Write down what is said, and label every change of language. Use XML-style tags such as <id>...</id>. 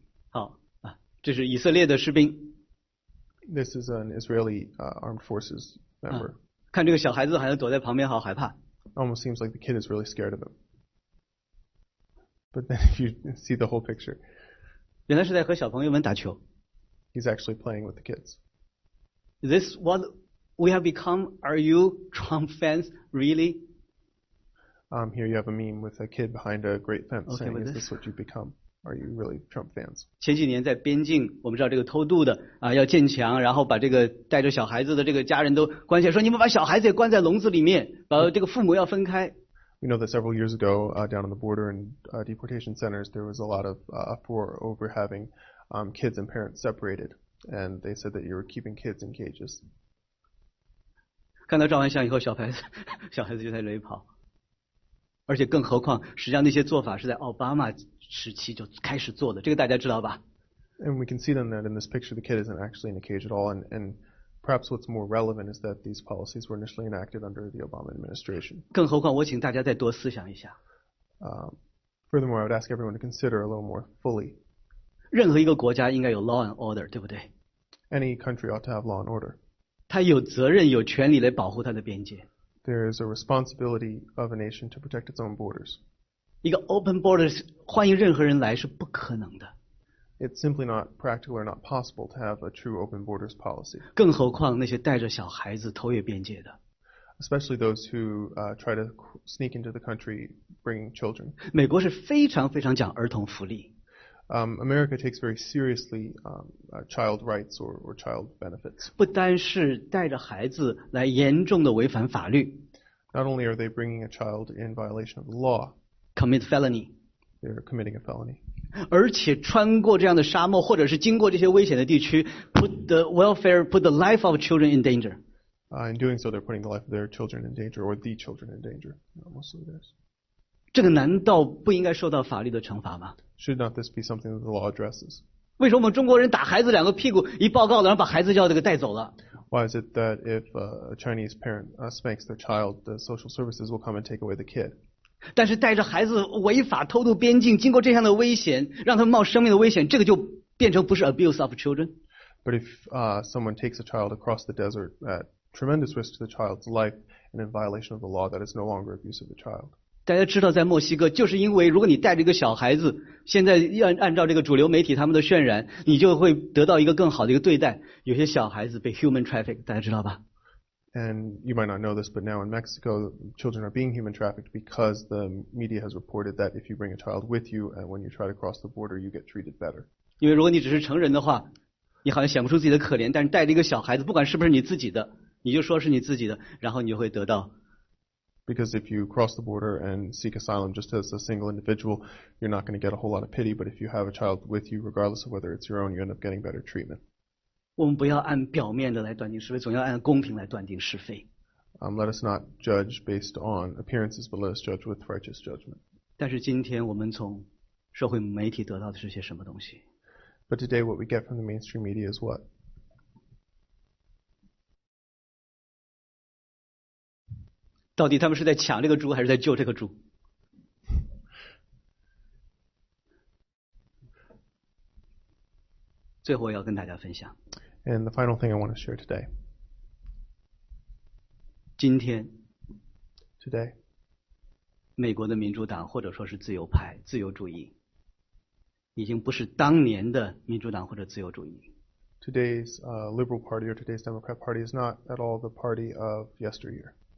<zh>好啊，这是以色列的士兵。</zh> <en>This is an Israeli armed forces member.</en> <zh>看这个小孩子好像躲在旁边，好害怕。</zh> <en>Almost seems like the kid is really scared of him. But then if you see the whole picture,</en> <zh>原来是在和小朋友们打球。</zh> <en>He's actually playing with the kids. Is this what we have become? Are you Trump fans really? Here you have a meme with a kid behind a great fence saying, okay, is this what you've become? Are you really Trump fans?</en> <zh>前几年在边境，我们知道这个偷渡的啊，要建墙，然后把这个带着小孩子的这个家人都关起来，说你们把小孩子也关在笼子里面，把这个父母要分开。</zh> <en>We know that several years ago, down on the border in deportation centers, there was a lot of uproar over having kids and parents separated, and they said that you were keeping kids in cages.</en> <zh>看到照完相以后，小孩子就在那里跑。而且更何况，实际上那些做法是在奥巴马时期就开始做的，这个大家知道吧</zh> <en>And we can see then that in this picture, the kid isn't actually in a cage at all. And perhaps what's more relevant is that these policies were initially enacted under the Obama administration.</en> <zh>更何况我请大家再多思想一下。</zh> <en>Furthermore, I would ask everyone to consider a little more fully.</en> <zh>任何一个国家应该有</zh> <en>law and order,</en> <zh>对不对？</zh> <en>Any country ought to have law and order.</en> <zh>他有责任有权利来保护他的边界。</zh> <en>There is a responsibility of a nation to protect its own borders.</en> <zh>一个 open borders, 欢迎任何人来是不可能的。</zh> <en>It's simply not practical or not possible to have a true open borders policy.</en> <zh>更何况那些带着小孩子偷越边界的。</zh> <en>Especially those who try to sneak into the country bringing children.</en> <zh>美国是非常非常讲儿童福利。</zh> <en>America takes very seriously child rights or child benefits.</en> <zh>不单是带着孩子来严重的违反法律。</zh> <en>Not only are they bringing a child in violation of the law. Commit felony. They're committing a felony.</en> <zh>而且穿过这样的沙漠或者是经过这些危险的地区</zh> <en>put the life of children in danger. In doing so, they're putting the life of their children in danger or the children in danger. Mostly this.</en> <zh>这个难道不应该受到法律的惩罚吗？</zh> <en>Should not this be something that the law addresses?</en> <zh>为什么我们中国人打孩子两个屁股一报告然后把孩子叫这个带走了？</zh> <en>Why is it that if a Chinese parent spanks their child, the social services will come and take away the kid?</en> <zh>但是带着孩子违法偷渡边境经过这样的危险让他们冒生命的危险这个就变成不是</zh> <en>abuse of children? But if someone takes a child across the desert at tremendous risk to the child's life and in violation of the law, that is no longer abuse of the child.</en> <zh>大家知道在墨西哥就是因为如果你带着一个小孩子现在按照这个主流媒体他们的渲染你就会得到一个更好的一个对待有些小孩子被</zh> <en>human traffic</en> <zh>大家知道吧</zh> <en>And you might not know this, but now in Mexico, children are being human trafficked because the media has reported that if you bring a child with you and when you try to cross the border, you get treated better.</en> <zh>因为如果你只是成人的话你好像显不出自己的可怜但是带着一个小孩子不管是不是你自己的你就说是你自己的然后你就会得到</zh> <en>Because if you cross the border and seek asylum just as a single individual, you're not going to get a whole lot of pity. But if you have a child with you, regardless of whether it's your own, you end up getting better treatment.</en> <zh>我们不要按表面的来断定是非，总要按公平来断定是非。</zh> <en>Let us not judge based on appearances, but let us judge with righteous judgment.</en> <zh>但是今天我们从社会媒体得到的是些什么东西？</zh> <en>But today what we get from the mainstream media is what?</en> <zh>到底他们是在抢这个猪还是在救这个猪？最后要跟大家分享。</zh> <en>And the final thing I want to share today.</en> <zh>今天。</zh> <en>Today.</en> <zh>美国的民主党或者说是自由派、自由主义，已经不是当年的民主党或者自由主义。</zh> <en>Today's Liberal Party or today's Democrat Party is not at all the party of yesteryear.</en>